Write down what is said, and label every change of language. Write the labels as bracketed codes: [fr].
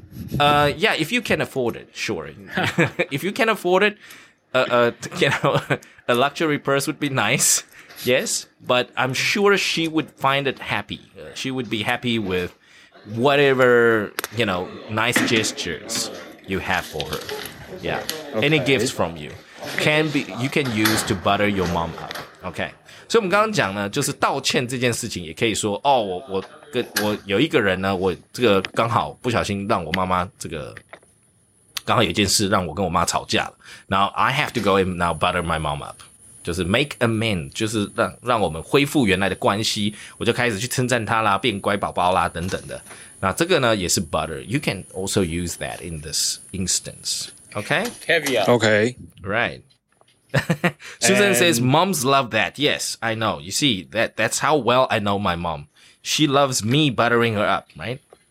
[en] If you can afford it, sure. If you can afford it, a luxury purse would be nice. Yes, but I'm sure she would find it happy. She would be happy with whatever, you know, nice gestures you have for her. Yeah. Okay. Any gifts from you can use to butter your mom up. Okay. [zh] 所以我们刚刚讲呢，就是道歉这件事情也可以说，哦，我有一个人呢，我这个刚好不小心让我妈妈这个刚好有一件事让我跟我妈吵架了。 [en] Now I have to go and now butter my mom up. [zh] 就是 [en] make amend, [zh] 就是让我们恢复原来的关系，我就开始去称赞他啦，变乖宝宝啦等等的。那这个呢也是 [en] butter, you can also use that in this instance. Okay? Caviar. Okay. Right. Susan says, moms love that. Yes, I know. You see, that's how well I know my mom. She loves me buttering her up, right?